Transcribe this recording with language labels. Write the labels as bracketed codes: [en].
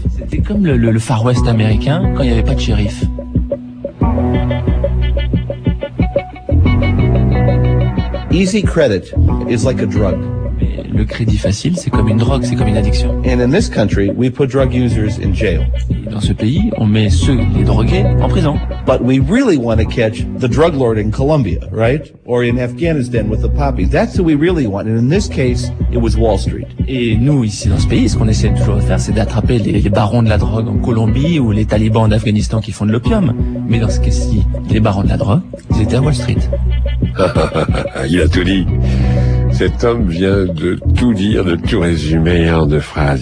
[fr] C'était comme le Far West américain quand il n'y avait pas de shérif. [en] Easy credit is like a drug. [fr] Mais le crédit facile, c'est comme une drogue, c'est comme une addiction. [en] And in this country, we put drug users in jail. [fr] Et dans ce pays, on met ceux, les drogués, en prison. [en] But we really want to catch the drug lord in Colombia, right? Or in Afghanistan with the poppies. That's who we really want. And in this case, it was Wall Street. [fr] Et nous, ici dans ce pays, ce qu'on essaie toujours de faire, c'est d'attraper les barons de la drogue en Colombie ou les talibans d'Afghanistan qui font de l'opium. Mais dans ce cas-ci, les barons de la drogue, ils étaient à Wall Street. Il a tout dit. Cet homme vient de tout dire, de tout résumer en deux phrases.